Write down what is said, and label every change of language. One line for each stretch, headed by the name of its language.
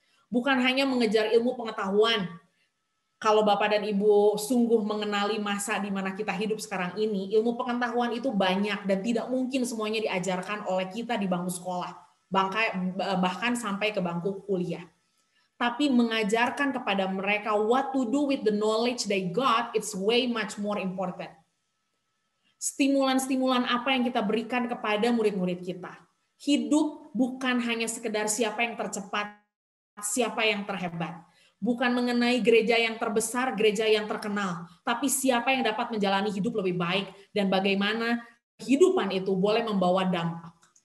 Indonesian: Bukan hanya mengejar ilmu pengetahuan. Kalau Bapak dan Ibu sungguh mengenali masa di mana kita hidup sekarang ini, ilmu pengetahuan itu banyak dan tidak mungkin semuanya diajarkan oleh kita di bangku sekolah. Bahkan sampai ke bangku kuliah. Tapi mengajarkan kepada mereka
English: what to do with the knowledge they got, it's way much more important.
Indonesian: Stimulan-stimulan apa yang kita berikan kepada murid-murid kita. Hidup bukan hanya sekedar siapa yang tercepat, siapa yang terhebat. Bukan mengenai gereja yang terbesar, gereja yang terkenal. Tapi siapa yang dapat menjalani hidup lebih baik dan bagaimana kehidupan itu boleh membawa dampak.